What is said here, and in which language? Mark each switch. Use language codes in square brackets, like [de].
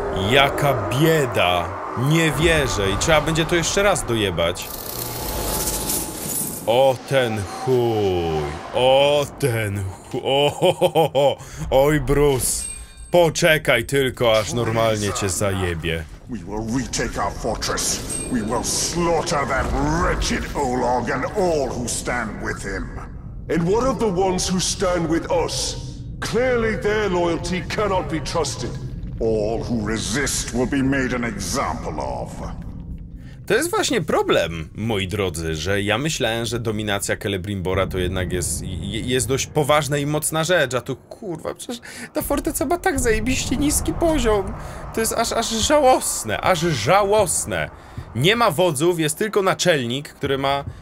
[pl] Jaka bieda! Nie wierzę i trzeba będzie to jeszcze raz dojebać. O ten chuj! O ten chuj! O, ho, ho, ho, ho. Oj, Bruce! Poczekaj tylko, aż normalnie cię zajebie. [en] We will retake our fortress. We will slaughter that wretched Olog and all who stand with him. And what of the ones who stand with us? Clearly their loyalty cannot be trusted. All who resist will be made an example of. [pl] To jest właśnie problem, moi drodzy, że ja myślałem, że dominacja Celebrimbora to jednak jest dość poważna i mocna rzecz, a tu kurwa, przecież ta forteca ma tak zajebiście niski poziom. To jest aż żałosne. Nie ma wodzów, jest tylko naczelnik, który ma...